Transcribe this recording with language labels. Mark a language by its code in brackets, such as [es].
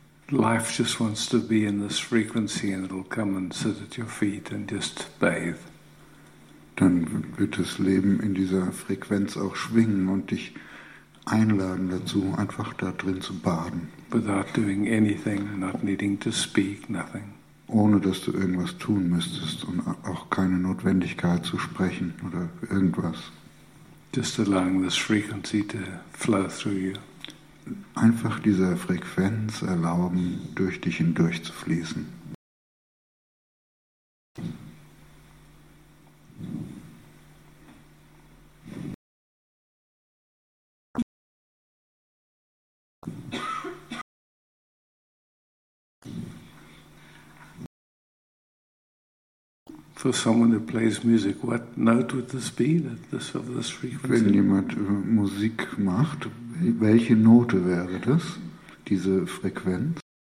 [en] Life just wants to be in this frequency and it'll come and sit at your feet and just bathe. [de] Dann wird das Leben in dieser Frequenz auch schwingen und dich einladen dazu, einfach da drin zu baden. [en] Without doing anything, not needing to speak, nothing. [de] Ohne dass du irgendwas tun müsstest und auch keine Notwendigkeit zu sprechen oder irgendwas. [en] Just allowing this frequency to flow through you. [de] Einfach dieser Frequenz erlauben, durch dich hindurch zu fließen. [en] for someone who plays music, what note would this be, that this of this frequency? [de] Wenn jemand Musik macht, welche Note wäre das, diese Frequenz?